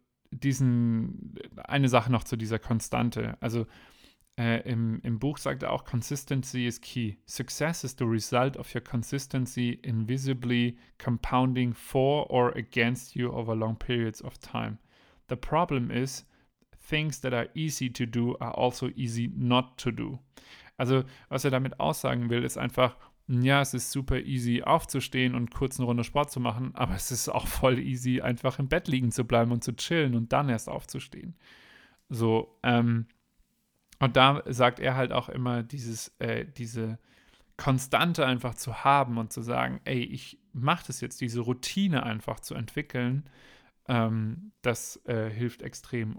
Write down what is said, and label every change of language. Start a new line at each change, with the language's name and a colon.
German: Eine Sache noch zu dieser Konstante. Also im Buch sagt er auch,
English: Consistency is key. Success is the result of your consistency invisibly compounding for or against you over long periods of time. The problem is, things that are easy to do are also easy not to do.
German: Also, was er damit aussagen will, ist einfach, ja, es ist super easy aufzustehen und kurz eine Runde Sport zu machen, aber es ist auch voll easy, einfach im Bett liegen zu bleiben und zu chillen und dann erst aufzustehen. So, und da sagt er halt auch immer, diese Konstante einfach zu haben und zu sagen, ey, ich mache das jetzt, diese Routine einfach zu entwickeln, das hilft extrem.